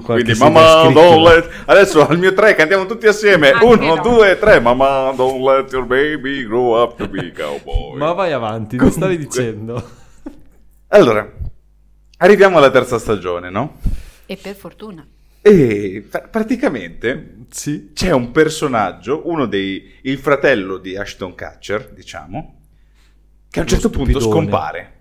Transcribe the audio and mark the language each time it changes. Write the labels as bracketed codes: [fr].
[it] Quindi mamma, adesso al mio 3 cantiamo tutti assieme. 1, 2, 3. [en] Mamma, don't let your baby grow up to be a cowboy. [it] Ma vai avanti, comunque... mi stavi dicendo. Allora, arriviamo alla 3ª stagione, no? E per fortuna. E praticamente sì. c'è un personaggio, il fratello di Ashton Kutcher, diciamo, che a un certo punto scompare.